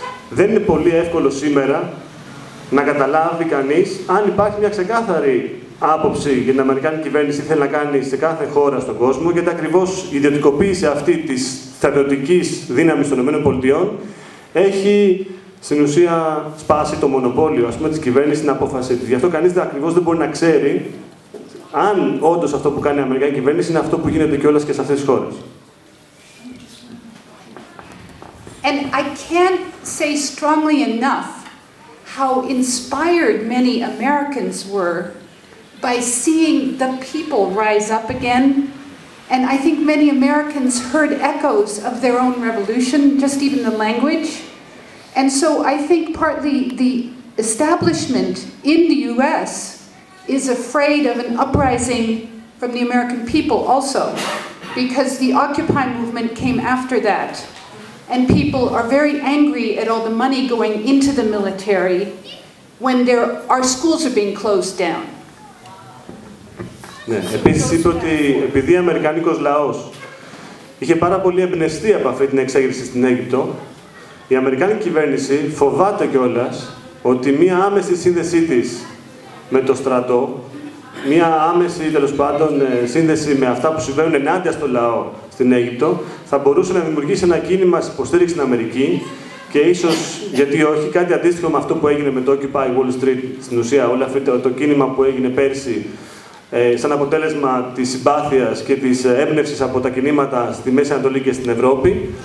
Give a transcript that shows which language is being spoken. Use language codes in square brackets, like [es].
[el] Δεν είναι πολύ εύκολο σήμερα να καταλάβει κανείς αν υπάρχει μια ξεκάθαρη άποψη για την Αμερικάνικη κυβέρνηση θέλει να κάνει σε κάθε χώρα στον κόσμο, γιατί ακριβώς η ιδιωτικοποίηση αυτή της στρατιωτικής δύναμης των ΗΠΑ έχει στην ουσία σπάσει το μονοπόλιο, ας πούμε, της κυβέρνησης στην απόφασή της. Γι' αυτό κανείς ακριβώς δεν μπορεί να ξέρει αν όντως αυτό που κάνει η Αμερικανική κυβέρνηση είναι αυτό που γίνεται κιόλας και σε αυτές τις χώρες. [en] And I can't say strongly enough how inspired many Americans were by seeing the people rise up again. And I think many Americans heard echoes of their own revolution, just even the language. And so I think partly the establishment in the US is afraid of an uprising from the American people also, because the Occupy movement came after that. And people are very angry at all the money going into the military when there our schools are being closed down. [el] Ναι, επίσης είπε ότι επειδή ο Αμερικανικός λαός είχε πάρα πολύ εμπνευστεί από αυτή την εξέγερση στην Αίγυπτο, η Αμερικάνικη κυβέρνηση φοβάται κιόλας ότι μία άμεση σύνδεσή της με το στρατό, μία άμεση τέλος πάντων σύνδεση με αυτά που συμβαίνουν ενάντια στο λαό στην Αίγυπτο, θα μπορούσε να δημιουργήσει ένα κίνημα υποστήριξη στην Αμερική και ίσως, γιατί όχι, κάτι αντίστοιχο με αυτό που έγινε με το Occupy Wall Street, στην ουσία όλο αυτό το κίνημα που έγινε πέρσι, σαν αποτέλεσμα της συμπάθειας και της έμπνευσης από τα κινήματα στη Μέση Ανατολή και στην Ευρώπη.